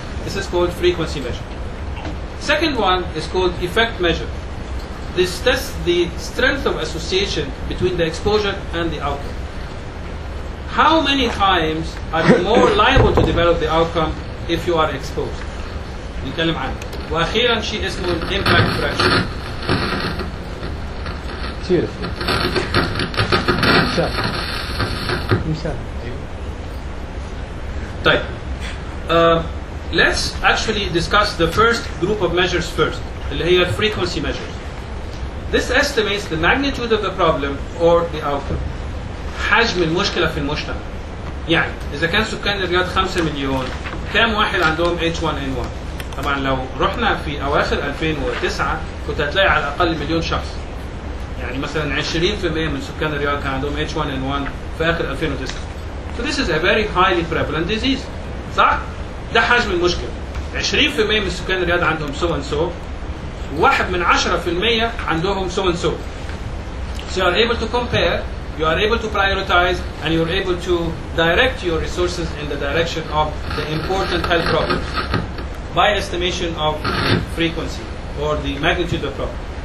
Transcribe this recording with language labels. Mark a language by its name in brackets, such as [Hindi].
[English] This is called frequency measure. Second one is called effect measure. This tests the strength of association between the exposure and the outcome. How many times are you more liable to develop the outcome if you are exposed? [Arabic] نتكلم عنه. وأخيرا شيء اسمه impact fraction. طيب. [English] Let's actually discuss the first group of measures first, [Arabic] اللي هي [English] frequency measures. This estimates the magnitude of the problem or the outcome. [Arabic] حجم المشكلة في المجتمع. يعني إذا كان سكان الرياض 5 مليون كم واحد عندهم H1N1؟ طبعا لو رحنا في أواخر 2009 كنت هتلاقي على الأقل مليون شخص. يعني مثلا 20% من سكان الرياض كان عندهم H1N1 في آخر 2009. [English] So this is a very highly prevalent disease. [Arabic] صح؟ ده حجم المشكلة. 20% من سكان الرياض عندهم [English] so and so. [Arabic] 1 من 10% عندهم [English] so and so. So you are able to compare, you are able to prioritize, and you are able to direct your resources in the direction of the important health problems by estimation of frequency or the magnitude of the problem.